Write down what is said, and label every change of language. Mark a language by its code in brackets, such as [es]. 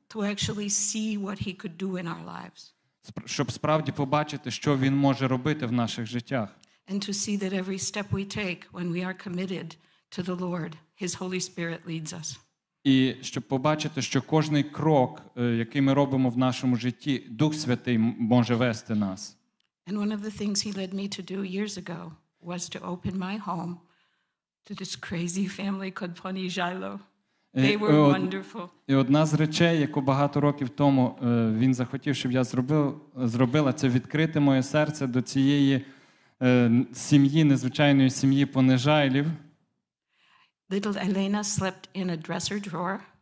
[en] to actually see what he could do in our lives. [uk] Щоб справді побачити, що він може робити в наших життях. [en] And to see that every step we take when we are committed to the Lord, his Holy Spirit leads us. [uk] І щоб побачити, що кожний крок, який ми робимо в нашому житті, Дух Святий може вести нас. [en] And one of the things he led me to do years ago was to open my home to this crazy family called Pony Jailo. They were wonderful. [uk] І одна з речей, яку багато років тому він захотів, щоб я зробила, це відкрити моє серце до цієї сім'ї, незвичайної сім'ї Понежайлів. [en] Little Elena slept in a dresser drawer.